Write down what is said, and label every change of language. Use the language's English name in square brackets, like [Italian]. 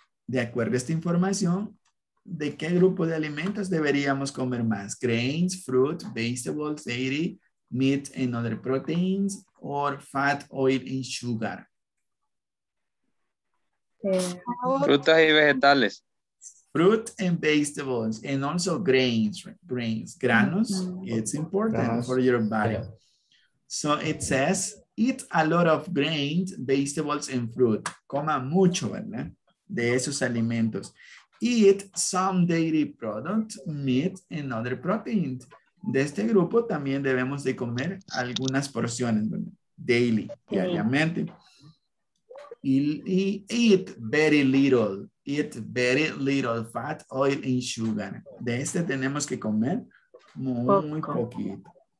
[Spanish] De acuerdo a esta información, ¿de qué grupo de alimentos deberíamos comer más? [English] Grains, fruit, vegetables, dairy, meat and other proteins, or fat, oil, and sugar? [Spanish] Frutas y vegetales. [English] Fruit and vegetables, and also grains. Grains, granos, it's important for your body. So it says, eat a lot of grains, vegetables, and fruit. [Spanish] Coma mucho, ¿verdad? De esos alimentos. [English] Eat some dairy products, meat, and other proteins. [Spanish] De este grupo también debemos de comer algunas porciones, ¿verdad? Daily, diariamente. [English] eat very little. Eat very little fat, oil, and sugar. [Spanish] De este tenemos que comer muy, muy poquito.